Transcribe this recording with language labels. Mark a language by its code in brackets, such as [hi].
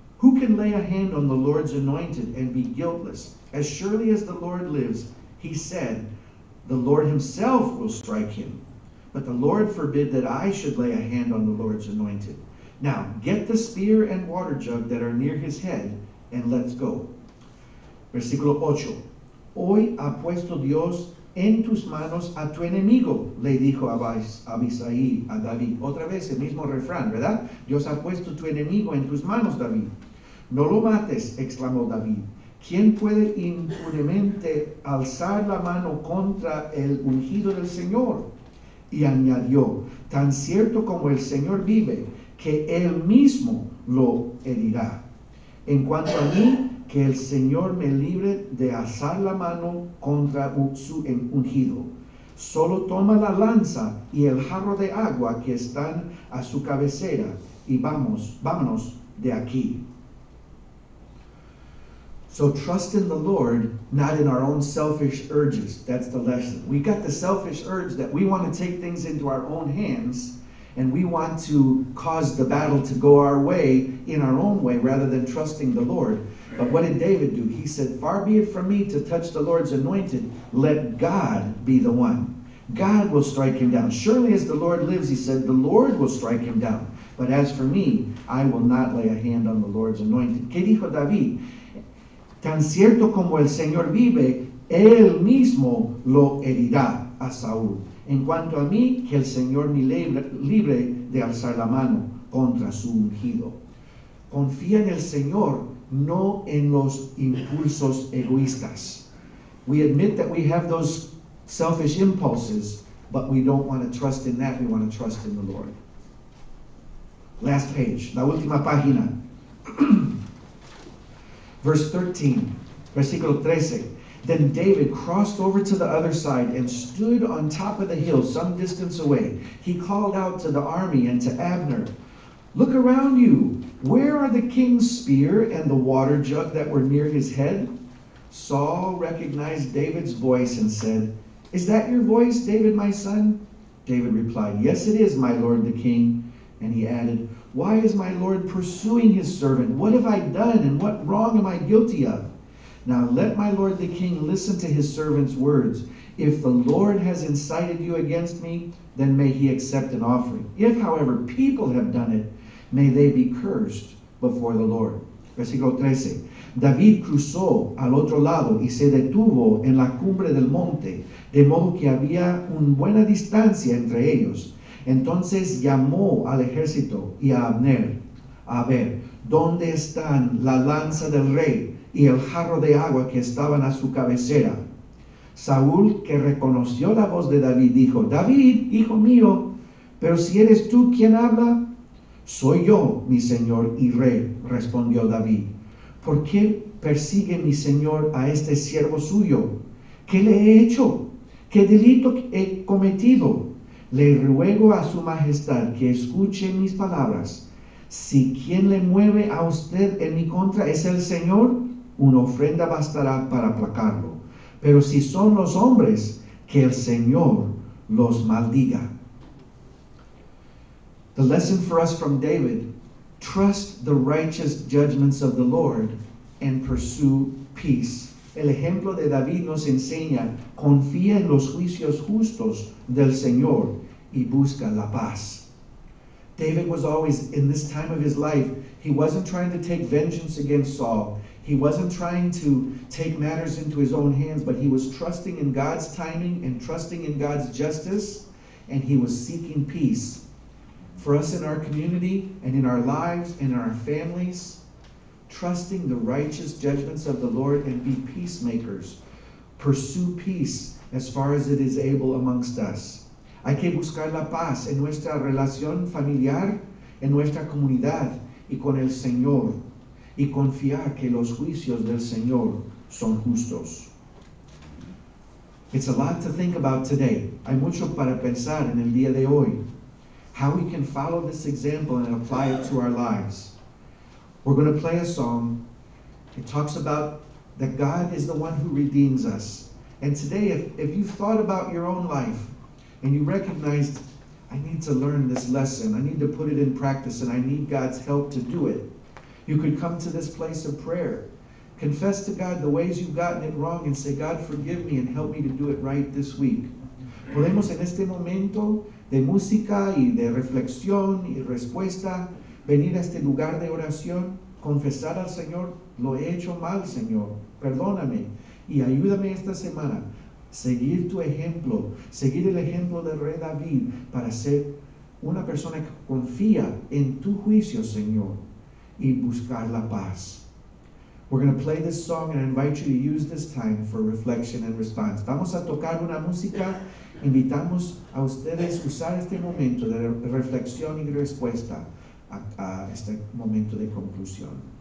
[en] Who can lay a hand on the Lord's anointed and be guiltless? As surely as the Lord lives," he said, "the Lord himself will strike him. But the Lord forbid that I should lay a hand on the Lord's anointed. Now get the spear and water jug that are near his head and let's go." [es] Versículo 8. "Hoy ha puesto Dios en tus manos a tu enemigo," le dijo Abisai a David. Otra vez el mismo refrán, ¿verdad? Dios ha puesto tu enemigo en tus manos, David. "No lo mates," exclamó David. "¿Quién puede impunemente alzar la mano contra el ungido del Señor?" Y añadió, "Tan cierto como el Señor vive, que él mismo lo herirá. En cuanto a mí, que el Señor me libre de alzar la mano contra su ungido. Solo toma la lanza y el jarro de agua que están a su cabecera y vámonos de aquí." [en] So trust in the Lord, not in our own selfish urges. That's the lesson. We got the selfish urge that we want to take things into our own hands and we want to cause the battle to go our way in our own way rather than trusting the Lord. But what did David do? He said, "Far be it from me to touch the Lord's anointed. Let God be the one. God will strike him down. Surely as the Lord lives," he said, "the Lord will strike him down. But as for me, I will not lay a hand on the Lord's anointed." [es] ¿Qué dijo David? "Tan cierto como el Señor vive, él mismo lo herirá a Saúl. En cuanto a mí, que el Señor me libre de alzar la mano contra su ungido." Confía en el Señor, no en los impulsos egoístas. [en] We admit that we have those selfish impulses, but we don't want to trust in that. We want to trust in the Lord. Last page, [es] la última página. Versículo 13. [en] "Then David crossed over to the other side and stood on top of the hill some distance away. He called out to the army and to Abner, 'Look around you. Where are the king's spear and the water jug that were near his head?' Saul recognized David's voice and said, 'Is that your voice, David, my son?' David replied, 'Yes, it is, my lord the king.' And he added, 'Why is my lord pursuing his servant? What have I done and what wrong am I guilty of? Now let my lord the king listen to his servant's words. If the Lord has incited you against me, then may he accept an offering. If, however, people have done it, may they be cursed before the Lord.'" [es] Versículo 13. "David cruzó al otro lado y se detuvo en la cumbre del monte, de modo que había una buena distancia entre ellos. Entonces llamó al ejército y a Abner, 'A ver, ¿dónde están la lanza del rey y el jarro de agua que estaban a su cabecera?' Saúl, que reconoció la voz de David, dijo, 'David, hijo mío, pero si eres tú quien habla...» «Soy yo, mi señor y rey», respondió David. «¿Por qué persigue mi señor a este siervo suyo? ¿Qué le he hecho? ¿Qué delito he cometido? Le ruego a su majestad que escuche mis palabras. Si quien le mueve a usted en mi contra es el Señor, una ofrenda bastará para aplacarlo. Pero si son los hombres, que el Señor los maldiga». [en] The lesson for us from David: trust the righteous judgments of the Lord and pursue peace. [es] El ejemplo de David nos enseña: confía en los juicios justos del Señor y busca la paz. [en] David was always, in this time of his life, he wasn't trying to take vengeance against Saul. He wasn't trying to take matters into his own hands, but he was trusting in God's timing and trusting in God's justice, and he was seeking peace. For us in our community and in our lives and in our families, trusting the righteous judgments of the Lord and be peacemakers. Pursue peace as far as it is able amongst us. [es] Hay que buscar la paz en nuestra relación familiar, en nuestra comunidad y con el Señor, y confiar que los juicios del Señor son justos. [en] It's a lot to think about today. [es] Hay mucho para pensar en el día de hoy. [en] How we can follow this example and apply it to our lives. We're going to play a song. It talks about that God is the one who redeems us. And today, if you've thought about your own life and you recognized, I need to learn this lesson, I need to put it in practice, and I need God's help to do it, you could come to this place of prayer. Confess to God the ways you've gotten it wrong and say, God, forgive me and help me to do it right this week. [es] Podemos en este momento de música y de reflexión y respuesta venir a este lugar de oración, confesar al Señor, lo he hecho mal, Señor, perdóname y ayúdame esta semana seguir tu ejemplo, seguir el ejemplo del rey David para ser una persona que confía en tu juicio, Señor, y buscar la paz. [en] We're going to play this song and I invite you to use this time for reflection and response. [es] Vamos a tocar una música. Invitamos a ustedes a usar este momento de reflexión y respuesta a este momento de conclusión.